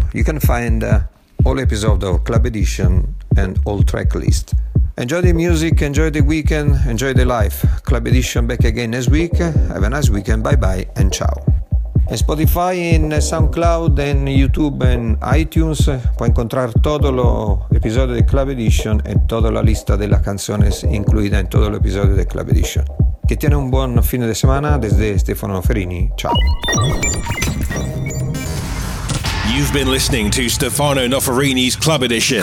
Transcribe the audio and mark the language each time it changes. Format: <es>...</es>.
<en>You can find all episodes of Club Edition and all track list. Enjoy the music, enjoy the weekend, enjoy the life. Club Edition back again next week. Have a nice weekend. Bye bye and ciao.</en> <es>En Spotify, en SoundCloud, en YouTube, en iTunes,</es> <it>puoi</it> <es>encontrar todos los episodios de Club Edition y toda la lista de las canciones incluidas en todos los episodios de Club Edition. Que tiene un buen fin de semana desde Stefano Ferini.</es> <it>Ciao.</it> <en>You've been listening to Stefano Noferini's Club Edition.</en>